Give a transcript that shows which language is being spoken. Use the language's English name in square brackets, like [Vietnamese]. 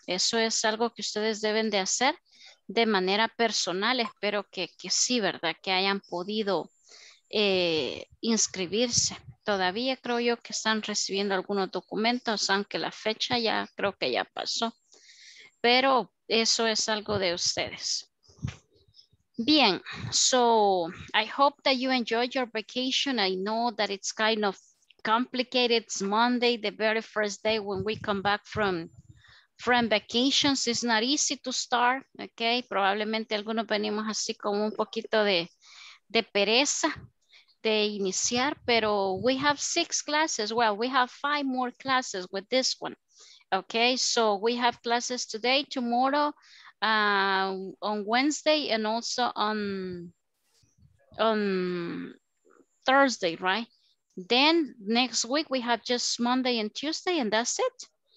[Spanish] Eso es algo que ustedes deben de hacer de manera personal. Espero que sí, ¿verdad? Que hayan podido inscribirse. Todavía creo yo que están recibiendo algunos documentos, aunque la fecha ya creo que ya pasó. Pero eso es algo de ustedes. Bien, [English] so I hope that you enjoyed your vacation. I know that it's kind of complicated. It's Monday, the very first day when we come back from vacations. It's not easy to start, okay? [Spanish] Probablemente algunos venimos así con un poquito de pereza de iniciar, pero [English] we have 6 classes. Well, we have 5 more classes with this one, okay? So we have classes today, tomorrow, on Wednesday, and also on Thursday, right? Then next week we have just Monday and Tuesday, and that's it.